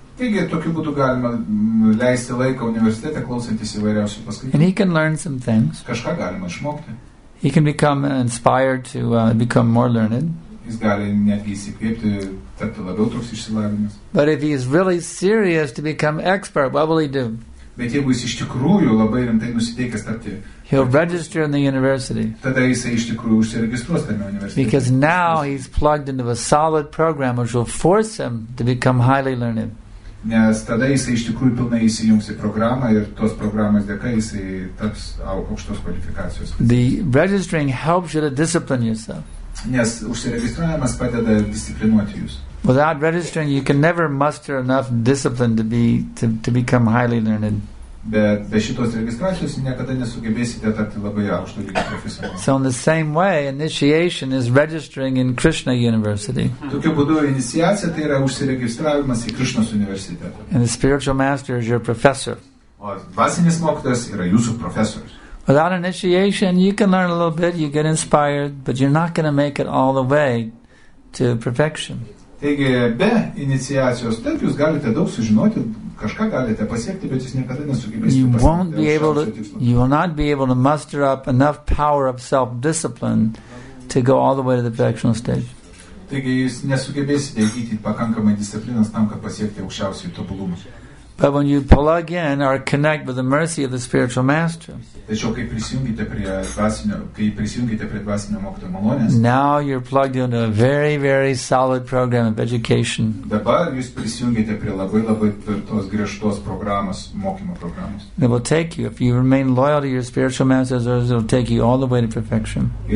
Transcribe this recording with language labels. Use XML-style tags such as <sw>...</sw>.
<lt>Taigi, tokiu būtų galima leisti laiką universitete, klausantis įvairiausių paskaitų.</lt> <en>And he can learn some things.</en> <lt>Kažką galima išmokti.</lt> <en>He can become inspired to become more learned.</en> <lt>Jis gali netgi įsikvėpti, tapti labiau toks išsilavinimas.</lt> <en>But if he is really serious to become expert, what will he do?</en> <lt>Bet jeigu jis iš tikrųjų labai rimtai nusiteikęs tapti...</lt> <en>He'll register in the university.</en> <lt>Tada jisai iš tikrųjų užsiregistruos tame universitete.</lt> <en>Because now he's plugged into a solid program which will force him to become highly learned.</en> <lt>Nes tada jisai iš tikrųjų pilnai įsijungs į programą ir tos programos dėka jisai taps aukštos kvalifikacijos.</lt> <en>The registering helps you to discipline yourself.</en> <lt>Nes užsiregistruojamas padeda disciplinuoti jūs.</lt> <en>Without registering you can never muster enough discipline to become highly learned.</en> <lt>Bet be šitos registracijos niekada nesugebėsite tapti labai aukšto lygio profesionalu.</lt> <en>So in the same way, initiation is registering in Krishna University.</en> <lt>Tokiu būdu iniciacija tai yra užsiregistravimas į Krishnos universitetą.</lt> <en>And the spiritual master is your professor.</en> <lt>O dvasinis mokytojas yra jūsų profesorius.</lt> <en>Without initiation, you can learn a little bit, you get inspired, but you're not going to make it all the way to perfection.</en> <lt>Taigi, be iniciacijos, taip jūs galite daug sužinoti, kažką galite pasiekti, bet jūs niekada nesugebėsite.</lt> <en>You will not be able to muster up enough power of self-discipline to go all the way to the perfectional stage.</en> <lt>Taigi, jūs nesugebėsite įgyti pakankamai disciplinas tam, kad pasiekti aukščiausių tobulumą.</lt> <en>But when you plug in or connect with the mercy of the spiritual master, now you're plugged into a very, very solid program of education. It will take you, if you remain loyal to your spiritual masters, it will take you all the way to perfection.</en>